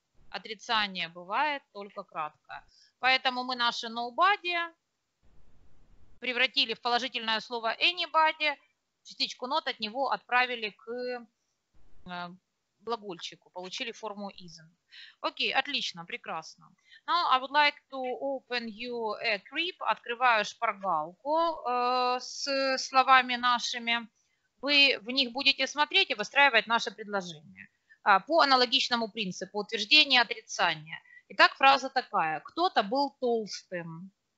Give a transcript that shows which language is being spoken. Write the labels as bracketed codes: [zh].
[ru] Отрицание бывает только краткое. Поэтому мы наше nobody превратили в положительное слово anybody, частичку not от него отправили к... глагольчику, получили форму isn. Окей, отлично, прекрасно. [en] Now I would like to open you a crib. [ru] Открываю шпаргалку с словами нашими. Вы в них будете смотреть и выстраивать наше предложение. По аналогичному принципу утверждение, отрицание. Итак, фраза такая. Кто-то был толстым.